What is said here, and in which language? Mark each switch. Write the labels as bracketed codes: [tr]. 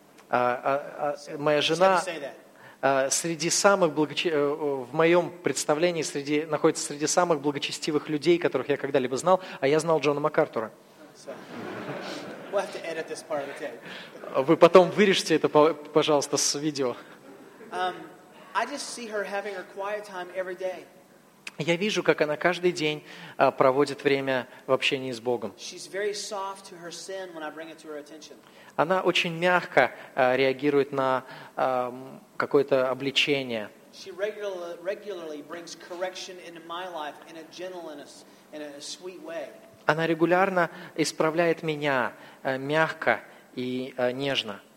[ru] Моя жена находится среди самых благочестивых людей, которых я когда-либо знал, а я знал Джона МакАртура. [en] We'll have to edit this part of the tape. [ru] Вы потом вырежьте это, пожалуйста, с видео. [en] I just see her having her quiet time every day. [ru] Я вижу, как она каждый день проводит время в общении с Богом. [en] She's very soft to her sin when I bring it to her attention. [ru] Она очень мягко реагирует на какое-то обличение. [en] She regularly brings correction into my life in a gentleness, in a sweet way. [ru] Она регулярно исправляет меня мягко и нежно.